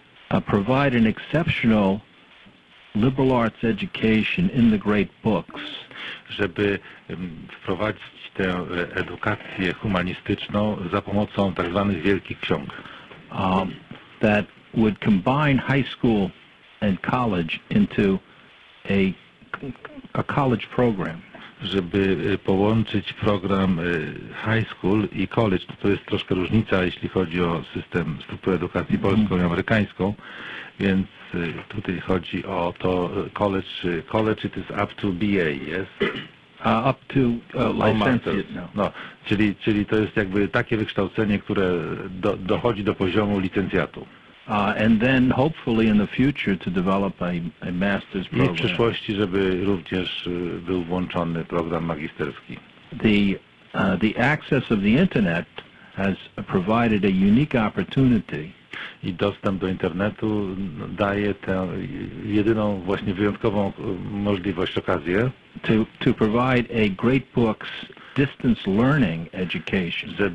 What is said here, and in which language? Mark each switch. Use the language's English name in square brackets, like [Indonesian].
[English] To provide an exceptional liberal arts education in the great books. [Polish] Żeby wprowadzić tę edukację humanistyczną za pomocą tak zwanych wielkich ksiąg. [English] That would combine high school and college into a college program. [Polish] Żeby połączyć program high school i college, to jest troszkę różnica, jeśli chodzi o system struktury edukacji polską i amerykańską, więc tutaj chodzi o to [English] college it is up to BA, yes? Up to licentiate, no. [Polish] No, czyli to jest jakby takie wykształcenie, które dochodzi do poziomu licencjatu. [English] And then hopefully in the future to develop a master's program. [Polish] I w przyszłości, żeby również był włączony program magisterski. [English] The access of the internet has provided a unique opportunity. [Polish] I dostęp do internetu daje tę jedyną, właśnie wyjątkową możliwość, okazję. [English] To provide a great books distance learning education.